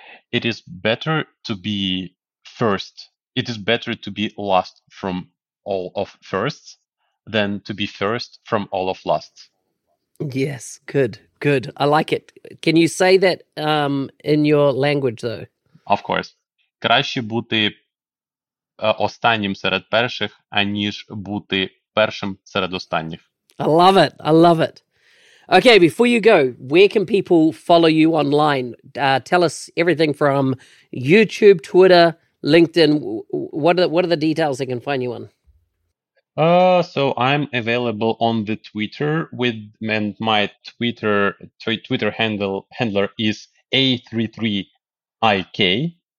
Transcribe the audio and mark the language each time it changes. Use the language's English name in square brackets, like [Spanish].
[English] It is better to be first. It is better to be last from all of firsts than to be first from all of lasts. Yes, good, good. I like it. Can you say that in your language, though? Of course. [Ukrainian] Краще бути останнім серед перших, аніж бути першим серед останніх. [English] I love it. Okay, before you go, where can people follow you online? Tell us everything from YouTube, Twitter, LinkedIn. What are the details they can find you on? So I'm available on the Twitter with, and my Twitter handler is A33IK.